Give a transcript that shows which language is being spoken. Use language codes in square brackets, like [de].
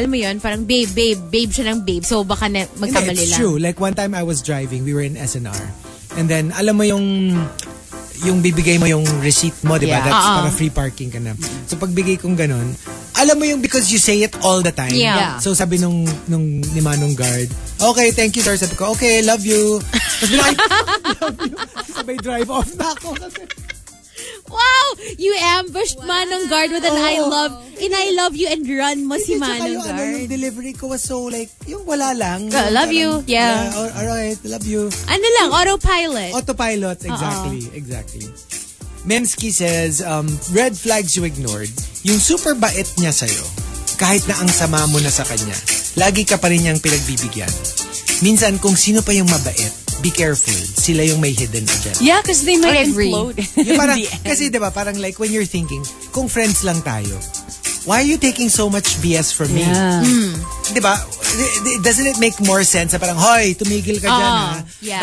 [tl] Alam mo yun, parang babe siya ng babe. So, baka na magkamali lang. [en] It's true. Like, one time I was driving, we were in SNR. [tl] And then, alam mo yung bibigay mo yung receipt mo, di ba? [en] Yeah. That's [tl] para [en] free parking [tl] ka na. [en] So, [tl] pagbigay kong ganun, alam mo yung [en] because you say it all the time. Yeah. [tl] So, sabi nung ni Manong guard, [en] okay, thank you, sir. [tl] Sabi ko, [en] okay, love you. [tl] Sabi [en] love you. [tl] Sabi, drive off na ako. [en] Wow! You ambushed Manong guard with an I love. And I love you and run mo si Manong guard. [tl] Ano, yung delivery ko [en] was so like, [tl] yung wala lang. [en] Girl, love parang, you. Yeah. Yeah, all right, love you. [tl] Ano lang, autopilot. [en] Autopilot, exactly. Uh-oh. Exactly. Memski says, red flags you ignored. [tl] Yung super bait niya sa'yo, kahit na ang sama mo na sa kanya, lagi ka pa rin niyang pinagbibigyan. Minsan, kung sino pa yung mabait, [en] be careful. [tl] Sila yung may hidden agenda. [en] Yeah, because they might agree. Implode. [tl] Parang, kasi diba, parang [en] like when you're thinking, [tl] kung friends lang tayo, [en] why are you taking so much BS from me? Yeah. Mm. [tl] Diba? [en] Doesn't it make more sense? [tl] Parang, hoy, tumigil ka dyan, ha? [en] Yeah.